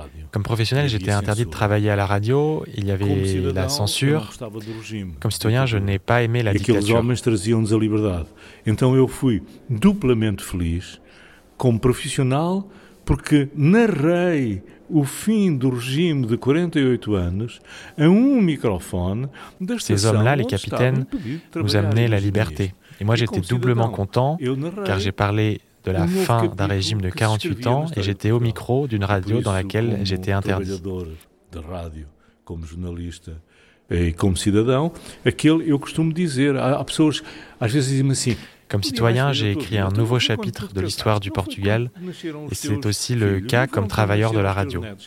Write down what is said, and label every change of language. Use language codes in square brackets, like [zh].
[fr] Comme professionnel, j'étais interdit de travailler à la radio, il y avait la censure. Comme citoyen, je n'ai pas aimé la dictature. [pt] Et aqueles homens traziam-nos a liberdade. Então eu fui duplamente feliz [fr] comme professionnel parce que [pt] narrei o fim do regime de 48 anos em microfone. [fr] Ces hommes-là, les capitaines, nous amenaient la liberté. Et moi, j'étais doublement content, car j'ai parlé de la fin d'un régime de 48 ans et j'étais au micro d'une radio dans laquelle j'étais interdit. De radio, comme journaliste et comme [pt] cidadão, aquele, eu costumo dizer, há pessoas, às vezes dizem-me assim. [fr] Comme citoyen, j'ai écrit un nouveau chapitre de l'histoire du Portugal, et c'est aussi le cas comme travailleur de la radio.